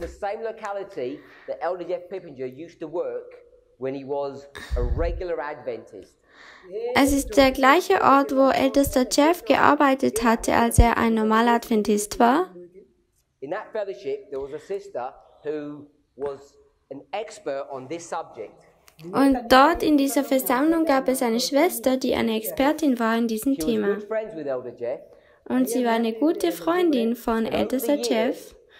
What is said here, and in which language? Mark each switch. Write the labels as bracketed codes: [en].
[en] In the same locality that Elder Jeff Pippinger used to work when he was a regular Adventist. [de] Es ist der gleiche Ort, wo Ältester Jeff gearbeitet hatte, als er ein normaler Adventist war. [en] In that fellowship there was a sister who was an expert on this subject. [de] Und dort in dieser Versammlung gab es eine Schwester, die eine Expertin war in diesem Thema. Und sie war eine gute Freundin von Ältester Jeff.